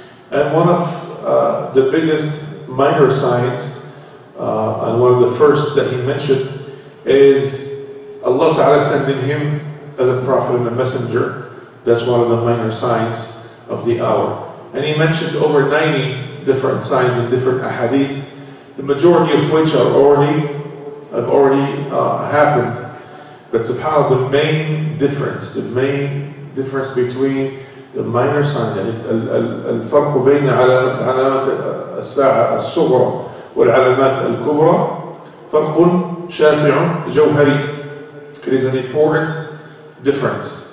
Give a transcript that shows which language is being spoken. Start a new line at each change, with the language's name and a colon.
English: And one of the biggest minor signs, and one of the first that he mentioned, is Allah Ta'ala sending him as a prophet and a messenger. That's one of the minor signs of the hour. And he mentioned over 90 different signs in different ahadith, the majority of which have already happened. But subhanAllah, the main difference between the minor sign,
Arabic: الفرق بين علامات الساعة الصغرى والعلامات الكبرى, فرق شاسع جوهري.
English: It is an important difference.